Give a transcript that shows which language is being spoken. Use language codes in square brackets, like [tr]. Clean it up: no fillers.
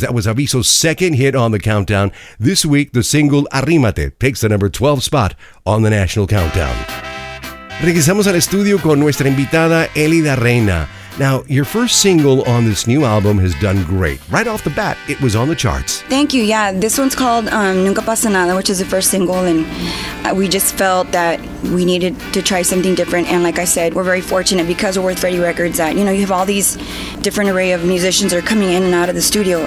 [en] That was Aviso's second hit on the countdown. This week, the single Arrímate picks the number 12 spot on the national countdown. [es] Regresamos al estudio con nuestra invitada, Elida Reina. [en] Now, your first single on this new album has done great. Right off the bat, it was on the charts. Thank you. Yeah, this one's called Nunca Pasa Nada, which is the first single, and we just felt that we needed to try something different. And like I said, we're very fortunate because we're with Freddie Records that, you know, you have all these different array of musicians that are coming in and out of the studio.